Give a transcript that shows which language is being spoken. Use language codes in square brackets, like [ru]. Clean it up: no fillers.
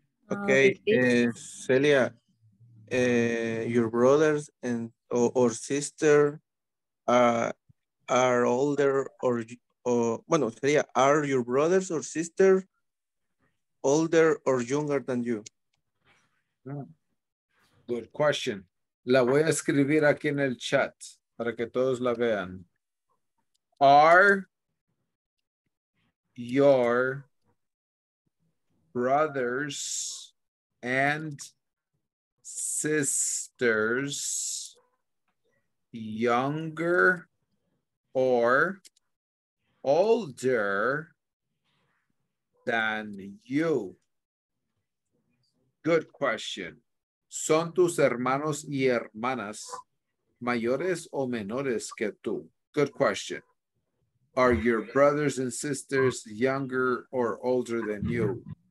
[en] Okay, Celia, your brothers or sister are older Celia, are your brothers or sister older or younger than you? Good question. [es] La voy a escribir aquí en el chat para que todos la vean. [en] Are your brothers and sisters younger or older than you? Good question. [es] ¿Son tus hermanos y hermanas mayores o menores que tú? [en] Good question. Are your brothers and sisters younger or older than you?